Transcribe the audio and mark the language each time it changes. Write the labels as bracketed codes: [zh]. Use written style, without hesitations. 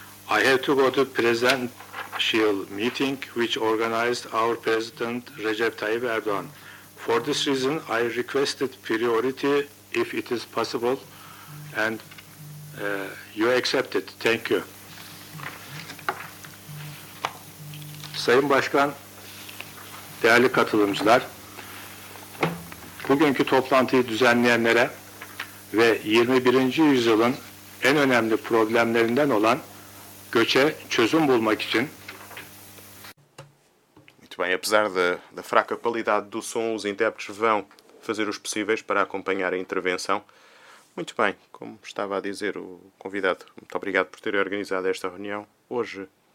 [en] I have to go to presidential meeting which organized our president Recep Tayyip Erdogan. For this reason, I requested priority if it is possible, and you accepted. Thank you. [tr] Sayın Başkan, değerli katılımcılar, bugünkü toplantıyı düzenleyenlere ve 21. yüzyılın en önemli problemlerinden olan göçe çözüm bulmak için. [pt] Muito bem, apesar da fraca qualidade do som, os intérpretes vão fazer os possíveis para acompanhar a intervenção. Muito bem, como estava a dizer o convidado, muito obrigado por ter organizado esta reunião hoje.